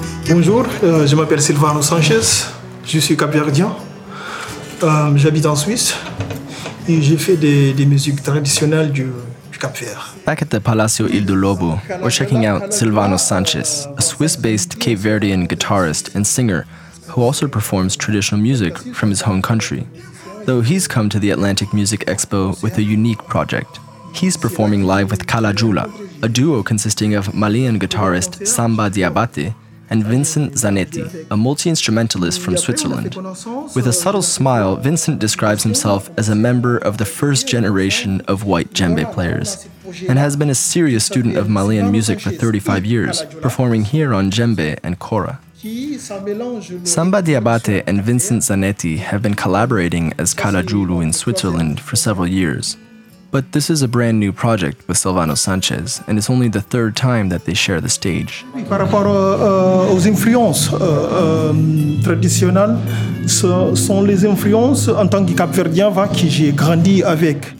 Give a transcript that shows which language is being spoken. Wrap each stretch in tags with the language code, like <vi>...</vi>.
<fr>Bonjour, je m'appelle Silvano Sanchez, je suis capverdien, j'habite en Suisse. Et j'ai fait des musiques traditionnelles du Cap Vert.</fr> <en>Back at the Palacio Ildo Lobo, we're checking out Silvano Sanchez, a Swiss-based Cape Verdean guitarist and singer who also performs traditional music from his home country. Though he's come to the Atlantic Music Expo with a unique project. He's performing live with Kala Jula, a duo consisting of Malian guitarist Samba Diabate and Vincent Zanetti, a multi-instrumentalist from Switzerland. With a subtle smile, Vincent describes himself as a member of the first generation of white djembe players, and has been a serious student of Malian music for 35 years, performing here on djembe and kora. Samba Diabate and Vincent Zanetti have been collaborating as Kala Julu in Switzerland for several years. But this is a brand new project with Silvano Sanchez, and it's only the third time that they share the stage.</en> <fr>Par rapport aux influences traditionnelles, ce sont les influences en tant que Capverdien que j'ai grandi avec.</fr>